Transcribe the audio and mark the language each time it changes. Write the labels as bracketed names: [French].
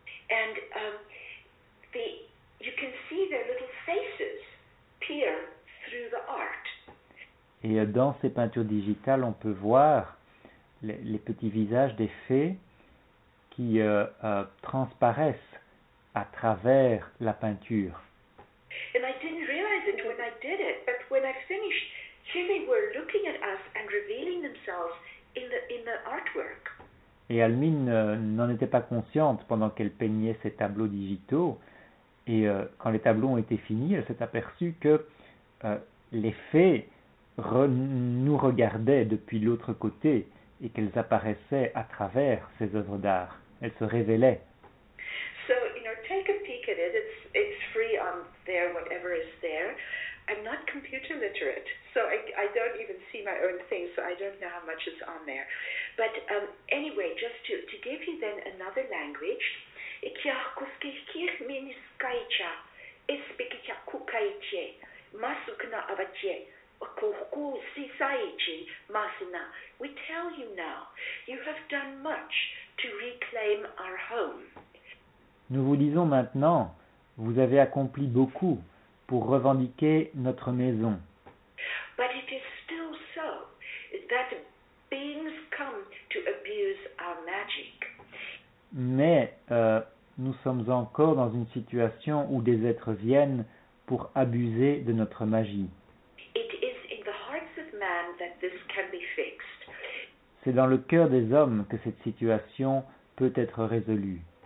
[English] And you can see their little faces peer through the art. [French] Et dans ces peintures digitales, on peut voir les petits visages des fées qui transparaissent à travers la peinture. [English] And I didn't realize it when I did it, but when I finished, here they were looking at us and revealing themselves in the artwork. [French] Et Almin n'en était pas consciente pendant qu'elle peignait ses tableaux digitaux. Et quand les tableaux ont été finis, elle s'est aperçue que les fées nous regardaient depuis l'autre côté et qu'elles apparaissaient à travers ces œuvres d'art. Elles se révélaient. [English] So, you know, take a peek at it. It's free on there, whatever is there. I'm not computer literate, so I don't even see my own things, so I don't know how much is on there. But anyway, just to give you then another language, we tell you now, you have done much to reclaim our home. [French] Nous vous disons maintenant, vous avez accompli beaucoup pour revendiquer notre maison. [English] But it is still so that beings come to abuse our magic. [French] Mais nous sommes encore dans une situation où des êtres viennent pour abuser de notre magie. [English] It is in the hearts of man that this can be fixed. [French] C'est dans le cœur des hommes que cette situation peut être résolue.